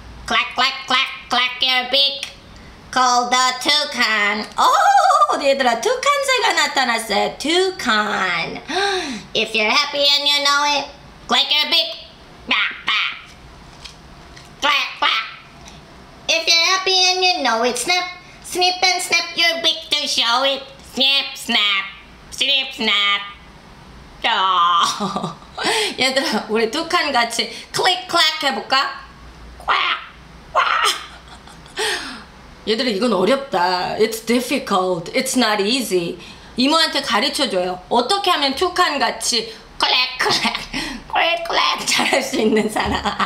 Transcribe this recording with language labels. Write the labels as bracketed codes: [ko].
[en] Clack clack clack clack your beak. Call the toucan. [ko] Oh, 얘들아, 투칸새가 나타났어요. [en] Toucan. If you're happy and you know it, clack your beak. Bah, bah. Clack, clack. If you're happy and you know it, snap. Snip and snap your beak to show it. Snip, snap. Snip, snap. Oh. [ko] 얘들아, 우리 투칸 같이 click, clack 해볼까? [en] Quack, quack. [ko] 얘들아 이건 어렵다. [en] It's difficult. It's not easy. [ko] 이모한테 가르쳐줘요. 어떻게 하면 투칸같이 클랙클랙 클랙클랙 잘할 수 있는 사람.